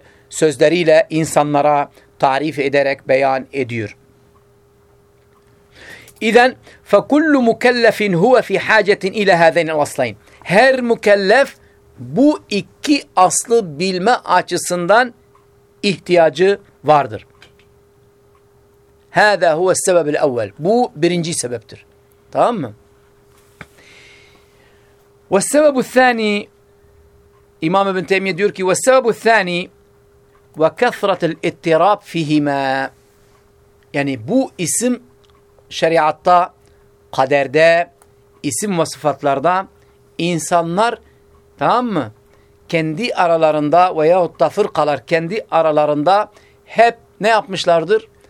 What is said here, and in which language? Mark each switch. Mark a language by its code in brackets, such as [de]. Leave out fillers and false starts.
[tr] Sözleriyle insanlara tarif ederek beyan ediyor. [ar] İzen فَكُلُّ مُكَلَّفٍ هُوَ فِي حَاجَةٍ اِلَى هَذَيْنِ الْاَصْلَيْنِ [tr] Her mükellef bu iki aslı bilme açısından ihtiyacı vardır. [ar] هَذَا هُوَ السَّبَبِ الْاَوَّلِ [tr] Bu birinci sebeptir. Tamam mı? [ar] وَالسَّبَبُ الثَّانِي [tr] İmam İbn Teymiye diyor ki [ar] وَالسَّبَبُ الثَّانِي وَكَثْرَةِ الْاِتِّرَابِ فِيهِمَا [tr] Yani bu isim şeriatta, kaderde, isim ve sıfatlarda insanlar, tamam mı, kendi aralarında veyahut da fırkalar kendi aralarında hep ne yapmışlardır?